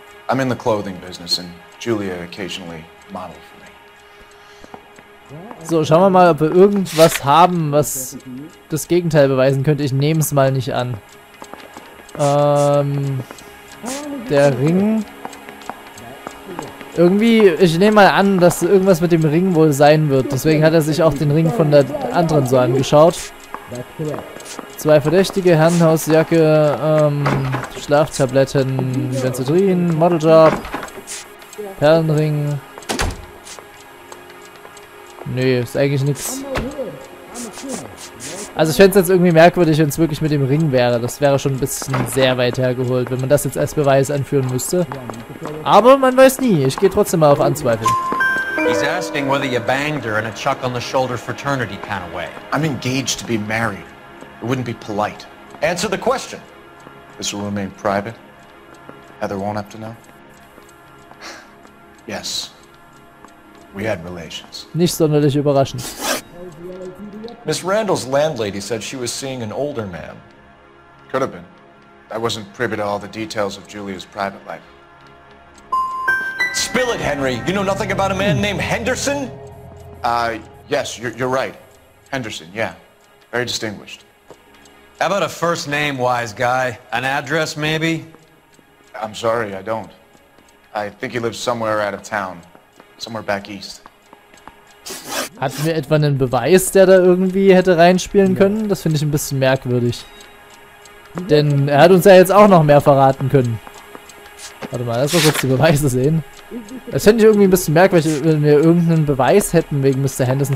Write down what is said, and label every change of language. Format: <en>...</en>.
<en>I'm in the clothing business and Julia occasionally modeled for me.</en> <de>So, schauen wir mal, ob wir irgendwas haben, was das Gegenteil beweisen könnte. Ich nehme es mal nicht an. Der Ring. Irgendwie, ich nehme mal an, dass irgendwas mit dem Ring wohl sein wird. Deswegen hat er sich auch den Ring von der anderen so angeschaut. Zwei Verdächtige, Herrenhausjacke, Schlaftabletten, Benzedrin, Modeljob, Perlenring. Nee, ist eigentlich nichts. Also ich fände es jetzt irgendwie merkwürdig, wenn es wirklich mit dem Ring wäre. Das wäre schon ein bisschen sehr weit hergeholt, wenn man das jetzt als Beweis anführen müsste. Aber man weiß nie. Ich gehe trotzdem mal auf Anzweifeln.</de> <en>He's asking whether you banged her in a chuck on the shoulder fraternity kind of way. I'm engaged to be married. It wouldn't be polite. Answer the question. This will remain private. Heather won't have to know. Yes. We had relations.</en> <de>Nicht sonderlich überraschend.</de> <en>Miss Randall's landlady said she was seeing an older man. Could have been. I wasn't privy to all the details of Julia's private life. Spill it, Henry. You know nothing about a man named Henderson? Yes, you're right. Henderson, yeah. Very distinguished. How about a first name, wise guy? An address, maybe? I'm sorry, I don't. I think he lives somewhere out of town. Somewhere back east.</en> <de>Hatten wir etwa einen Beweis, der da irgendwie hätte reinspielen können? Das finde ich ein bisschen merkwürdig. Denn er hat uns ja jetzt auch noch mehr verraten können. Warte mal, lass mal kurz die Beweise sehen. Das finde ich irgendwie ein bisschen merkwürdig, wenn wir irgendeinen Beweis hätten wegen Mr. Henderson.</de>